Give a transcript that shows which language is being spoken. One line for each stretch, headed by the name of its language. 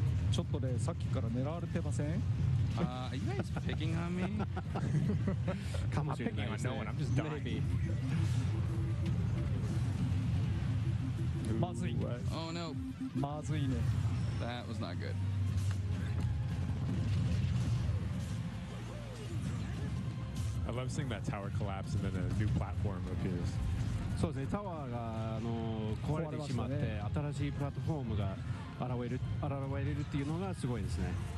Japanese: ちょっとね、さっきから狙われてません?
English: Are you guys picking on me? Come on, picking on no one, I'm just dying. Maybe.
Japanese: Mazui.
English: Oh no.
Japanese: Mazui ne.
English: That was not good. I love seeing that tower collapse and then a new platform appears.
Japanese: そうですね、タワーが壊れてしまって、新しいプラットフォームが現れるっていうのがすごいですね。